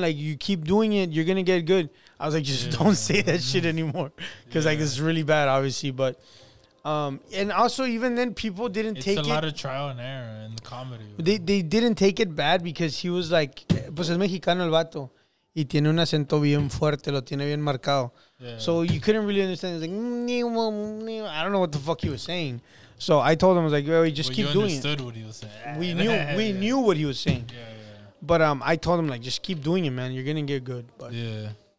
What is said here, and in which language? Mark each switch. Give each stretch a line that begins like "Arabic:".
English: Like, you keep doing it, you're gonna get good. I was like, just don't say that shit anymore, because like it's really bad, obviously, but. And also, even then, people didn't take it. It's a lot of trial and error in the comedy. They didn't take it bad because he was like,
Spanish: pues es mexicano el vato. Y tiene un acento bien fuerte, lo tiene bien marcado.
English: Yeah. So you couldn't really understand. It's like, I don't know what the fuck he was saying. So I told him, I was like, well, just keep doing it. You understood what he was saying. We knew what he was saying. Yeah. But I told him, like, just keep doing it, man. You're going to get good. But yeah.